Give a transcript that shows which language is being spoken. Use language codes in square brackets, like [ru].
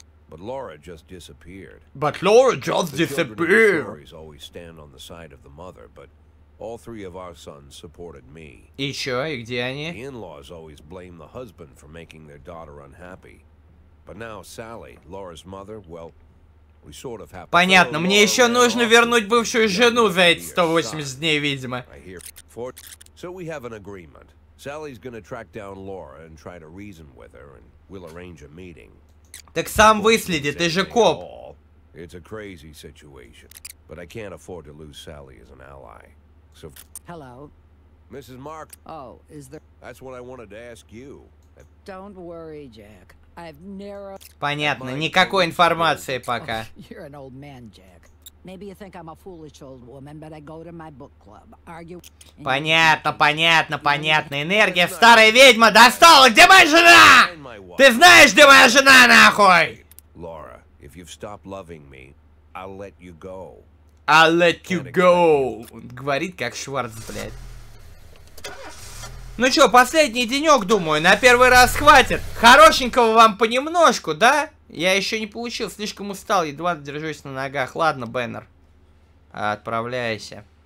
[en] But Laura just disappeared. Stories always stand on the side of the mother, but all three of our sons supported me. [ru] И чё, и где они? [en] The in-laws always blame the husband for making their daughter unhappy. But now Sally, Laura's mother, well... [ru] Понятно, мне еще нужно вернуть бывшую жену за эти 180 дней, видимо. [en] So we have an agreement. Sally's gonna track down Laura and try to reason with her, and we'll arrange a meeting. [ru] Так сам выследи, ты же коп. [en] It's a crazy situation, but I can't afford to lose Sally as an ally. So. Hello. Mrs. Mark. Oh, is there? That's what I wanted to ask you. Don't worry, Jack. [ru] Понятно, никакой информации пока. [en] You're an old man, Jack. Maybe you think I'm a foolish old woman, but I go to my book club. Argue. [ru] Понятно, понятно, понятно. Энергия, старая ведьма, достала! Где моя жена? Ты знаешь, где моя жена, нахуй? [en] Laura, if you've stopped loving me, I'll let you go. I'll let you go. [ru] Он говорит, как Шварц, блядь. Ну чё, последний денёк, думаю, на первый раз хватит. Хорошенького вам понемножку, да? Я еще не получил, слишком устал, едва держусь на ногах. Ладно, Бэннер, отправляйся.